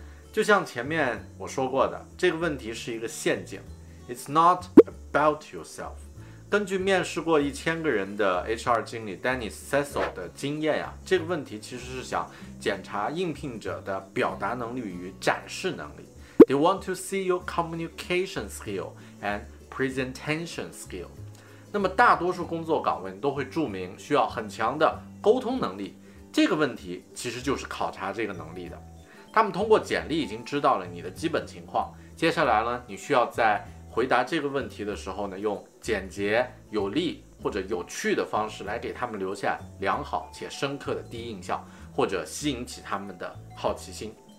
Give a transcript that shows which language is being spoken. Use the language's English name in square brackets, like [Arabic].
[Chinese] 就像前面我说过的，这个问题是一个陷阱。 [English] It's not about yourself. [Chinese] 根据面试过1000个人的 HR 经理 Dennis Cecil 的经验啊，这个问题其实是想检查应聘者的表达能力与展示能力。 [English] They want to see your communication skill and presentation skill. [Chinese] 那么大多数工作岗位都会注明需要很强的沟通能力，这个问题其实就是考察这个能力的。他们通过简历已经知道了你的基本情况，接下来呢，你需要在回答这个问题的时候呢，用简洁有力或者有趣的方式来给他们留下良好且深刻的第一印象，或者吸引起他们的好奇心。